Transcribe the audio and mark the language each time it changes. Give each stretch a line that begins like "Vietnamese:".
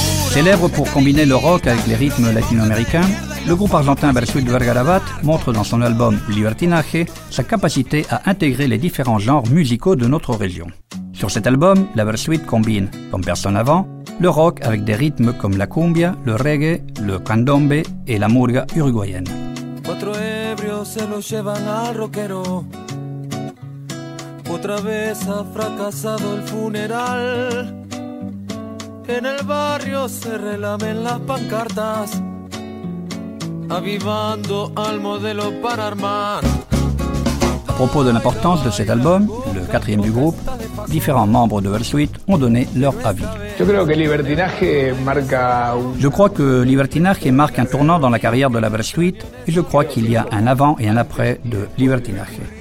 French: Célèbre pour combiner le rock avec les rythmes latino-américains, le groupe argentin Bersuit Vergarabat montre dans son album Libertinaje sa capacité à intégrer les différents genres musicaux de notre région. Sur cet album, la Bersuit combine, comme personne avant, le rock avec des rythmes comme la cumbia, le reggae, le candombe et la murga uruguayenne.
Spanish: Cuatro ebrios se lo llevan al rockero. Otra vez ha fracasado el funeral. En el barrio se relamen las pancartas, avivando al modelo para armar.
French: À propos de l'importance de cet album, le quatrième du groupe, différents membres de Bersuit ont donné leur avis. Je crois que Libertinage marque un tournant dans la carrière de la Bersuit et je crois qu'il y a un avant et un après de Libertinage.